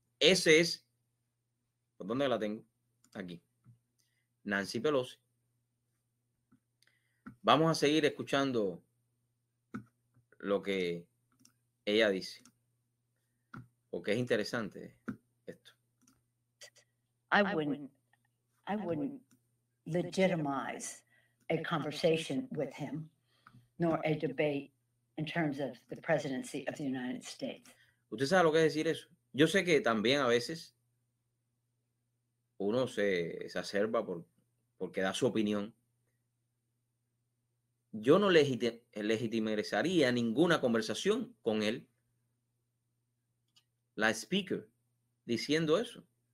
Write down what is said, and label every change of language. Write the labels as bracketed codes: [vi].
[es] Ese es, ¿por dónde la tengo? Aquí. Nancy Pelosi. Vamos a seguir escuchando lo que ella dice, porque es interesante esto. [en] I wouldn't legitimize a conversation with him, nor a debate in terms of the presidency of the United States. [es] ¿Usted sabe lo que es decir eso? Yo sé que también a veces uno se exacerba porque da su opinión. Yo no legitimizaría ninguna conversación con él, la speaker, diciendo eso.